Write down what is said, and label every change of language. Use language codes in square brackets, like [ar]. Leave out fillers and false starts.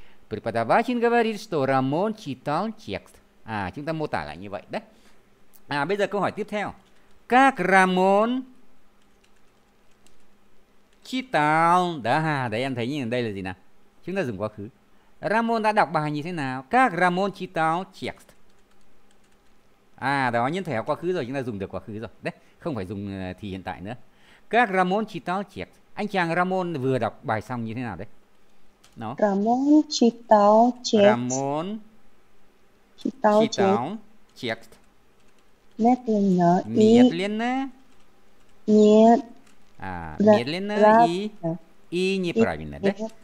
[ru] Преподаватель говорит, что Рамон читал текст. [vi] À, chúng ta mô tả lại như vậy đấy. À, bây giờ câu hỏi tiếp theo. [ru] Как Рамон читал? [vi] Да, đấy em thấy như đây là gì nào? Chúng ta dùng quá khứ. Рамон đã đọc bài như thế nào? [ru] Как Рамон читал текст? [vi] À đó, nhân thể quá khứ rồi, chúng ta dùng được quá khứ rồi. Đấy, không phải dùng thì hiện tại nữa. Các Ramon [ru] читал текст. [vi] Anh chàng Ramon vừa đọc bài xong như thế nào đấy? Nó. [ru] Ramon читал текст. Ramon читал текст. Медленно и медленно. Нет. А, медленно и неправильно, да?